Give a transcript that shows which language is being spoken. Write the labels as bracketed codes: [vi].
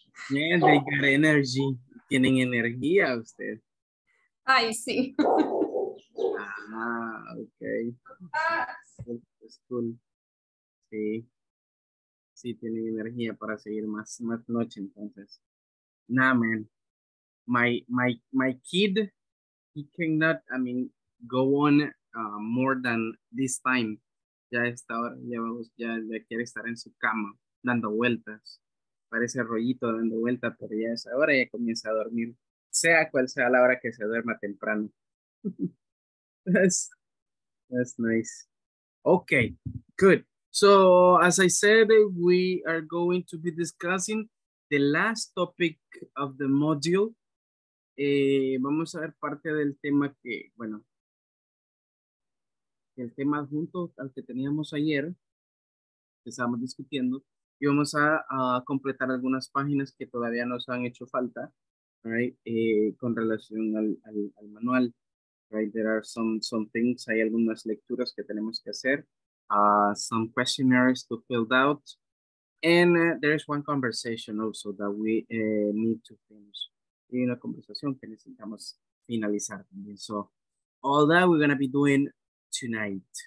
[en] Yeah, they got energy. [es] Tienen energía usted. Ay, sí. [en] Ah, okay. That's cool. [es] Sí. Sí, tienen energía para seguir más, más noche, entonces. [en] Nah, man. My kid, he cannot, I mean, go on more than this time. [es] Ya está ahora, ya quiere estar en su cama, dando vueltas. Parece rollito dando vuelta, pero ya es ahora, ya comienza a dormir. Sea cual sea la hora que se duerma temprano. [en] That's nice. Okay, good. So, as I said, we are going to be discussing the last topic of the module. [es] Vamos a ver parte del tema que, bueno, el tema junto al que teníamos ayer, que estábamos discutiendo, y vamos a completar algunas páginas que todavía nos han hecho falta, right? Con relación al manual, right? [en] There are some things, [es] hay algunas lecturas que tenemos que hacer, [en] some questionnaires to fill out, and there is one conversation also that we need to finish. [es] Y una conversación que necesitamos finalizar también. [en] So, all that we're going to be doing tonight.